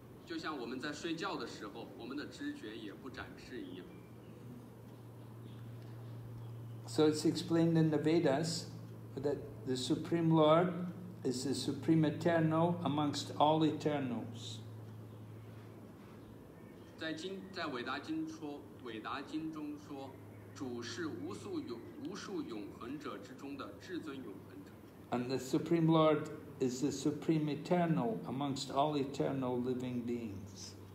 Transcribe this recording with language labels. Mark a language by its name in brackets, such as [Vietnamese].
[English] So it's explained in the Vedas that the Supreme Lord is the Supreme Eternal amongst all Eternals. [Chinese] 在伟达经中说, 主是无数永恒者之中的至尊永恒者。 [English] And the Supreme Lord is the Supreme Eternal amongst all eternal living beings.